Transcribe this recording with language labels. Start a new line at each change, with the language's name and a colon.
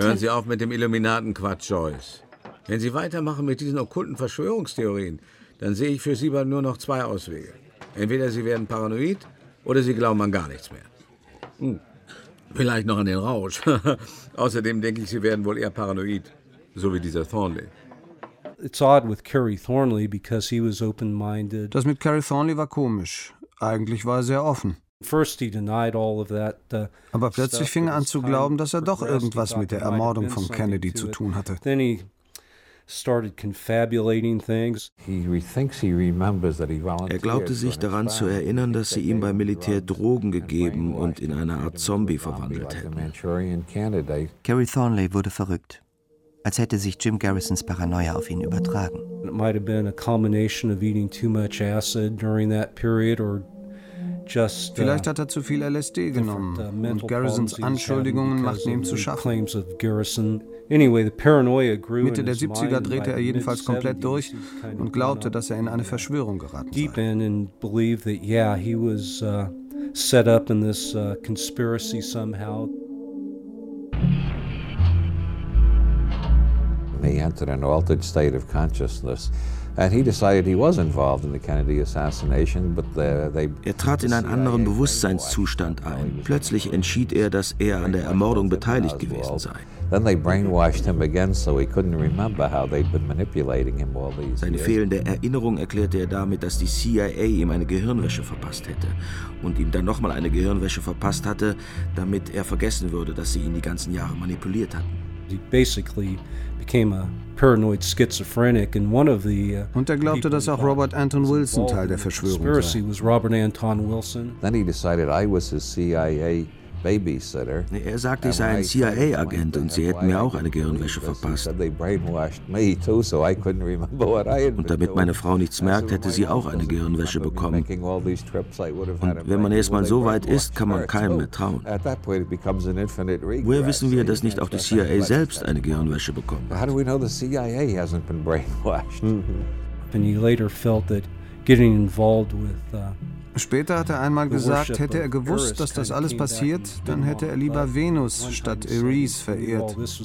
German: Hören Sie auf mit dem Illuminaten-Quatsch, Joyce. Wenn Sie weitermachen mit diesen okkulten Verschwörungstheorien, dann sehe ich für Sie bald nur noch zwei Auswege. Entweder Sie werden paranoid oder Sie glauben an gar nichts mehr. Vielleicht noch an den Rausch. Außerdem denke ich, Sie werden wohl eher paranoid, so wie dieser Thornley.
English: It's odd with Kerry Thornley because he was open-minded.
German: Das mit Kerry Thornley war komisch. Eigentlich war er sehr offen.
English: First he denied all of that.
German: Aber plötzlich fing er an zu glauben, dass er doch irgendwas mit der Ermordung von Kennedy zu tun hatte.
English: Then he started confabulating things. He thinks he remembers that he volunteered.
German: Er glaubte sich daran zu erinnern, dass sie ihm beim Militär Drogen gegeben und in eine Art Zombie verwandelt hätten. Kerry Thornley wurde verrückt. Als hätte sich Jim Garrisons Paranoia auf ihn übertragen.
English: It might have been a combination of eating too much acid during that period or just
German: vielleicht hat er zu viel LSD genommen und Garrisons Anschuldigungen machten ihm zu schaffen.
English: Anyway, the paranoia grew.
German: Mitte der 70er drehte er jedenfalls komplett durch und glaubte, dass er in eine Verschwörung geraten sei.
English: Deep in and believed that yeah, he was set up in this conspiracy somehow. He entered an altered state of consciousness, and he decided he was involved in the Kennedy assassination. But they.
German: Er trat in einen anderen Bewusstseinszustand ein. Plötzlich entschied er, dass er an der Ermordung beteiligt gewesen sei.
English: Then they brainwashed him again, so he couldn't remember how they'd been manipulating him all these years.
German: Seine fehlende Erinnerung erklärte er damit, dass die CIA ihm eine Gehirnwäsche verpasst hätte und ihm dann nochmal eine Gehirnwäsche verpasst hatte, damit er vergessen würde, dass sie ihn die ganzen Jahre manipuliert hatten.
English: Basically became a paranoid schizophrenic and one of the
German: und er glaubte, dass auch Robert Anton Wilson Teil der Verschwörung war.
English: Conspiracy was Robert Anton Wilson. Then he decided I was his CIA babysitter.
German: Er sagte, ich sei ein CIA-Agent und sie hätten mir auch eine Gehirnwäsche verpasst.
English: They brainwashed me too, so I couldn't remember what I had.
German: Und damit meine Frau nichts merkt, hätte sie auch eine Gehirnwäsche bekommen. Und wenn man erstmal so weit ist, kann man keinem mehr trauen. Woher wissen wir, dass nicht auch die CIA selbst eine Gehirnwäsche bekommen hat?
English: How do we know the CIA hasn't been brainwashed? And he later felt that getting involved with
German: später hat er einmal gesagt, hätte er gewusst, dass das alles passiert, dann hätte er lieber Venus statt Ares verehrt.